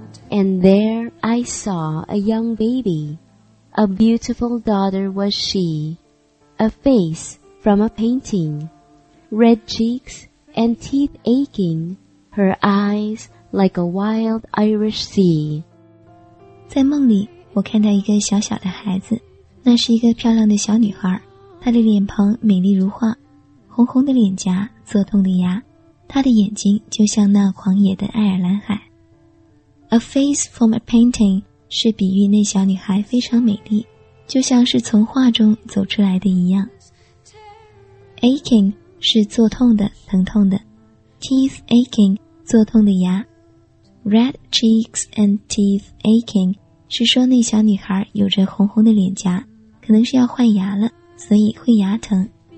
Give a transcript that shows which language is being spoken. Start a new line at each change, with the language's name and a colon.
English: And there I saw a young baby, a beautiful daughter was she, a face from a painting, red cheeks and teeth aching, her eyes like a wild Irish sea.
Chinese: 在梦里，我看到一个小小的孩子，那是一个漂亮的小女孩，她的脸庞美丽如画，红红的脸颊，侧动的牙，她的眼睛就像那狂野的爱尔兰海。
English: A face from a painting
Chinese: 是比喻那小女孩非常美丽，就像是从画中走出来的一样。 Aching 是作痛的、疼痛的。 Teeth aching 作痛的牙。
English: Red cheeks and teeth aching
Chinese: 是说那小女孩有着红红的脸颊，可能是要换牙了，所以会牙疼。